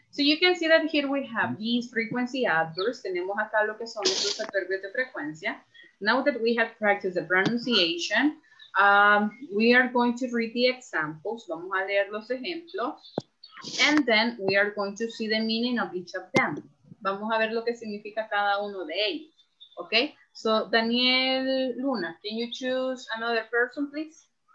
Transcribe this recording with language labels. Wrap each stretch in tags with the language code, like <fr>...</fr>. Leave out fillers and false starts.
<en>So you can see that here we have these frequency adverbs.</en> <es>Tenemos acá lo que son estos adverbios de frecuencia.</es> <en>Now that we have practiced the pronunciation, we are going to read the examples.</en> <es>Vamos a leer los ejemplos.</es> <en>And then we are going to see the meaning of each of them.</en> <es>Vamos a ver lo que significa cada uno de ellos.</es> <en>Okay, so Daniel Luna, can you choose another person, please?</en>